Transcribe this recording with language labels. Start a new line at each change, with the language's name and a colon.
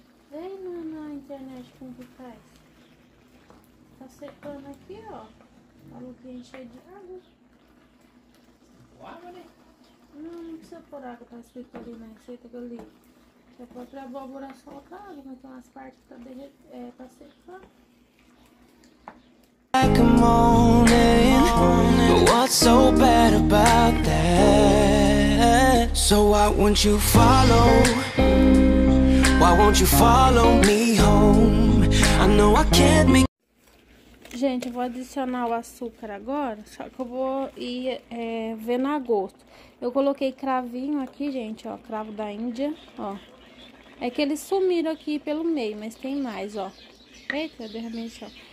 Portuguese: Vem na internet como que faz. Tá secando aqui, ó. Falou que encheu de água. Água, né? Não precisa pôr água, tá escrito ali na receita que eu li. Já pode a abóbora soltada, mas tem umas partes que tá derretendo. É, tá secando.
English: Like a morning, but what's so bad about that? So why won't you follow? Why won't you follow me home? I know I can't make.
Portuguese: Gente, eu vou adicionar o açúcar agora, só que eu vou ir vendo a gosto. Eu coloquei cravinho aqui, gente, ó, cravo da Índia, ó. É que eles sumiram aqui pelo meio, mas tem mais, ó. Eita, derramei só.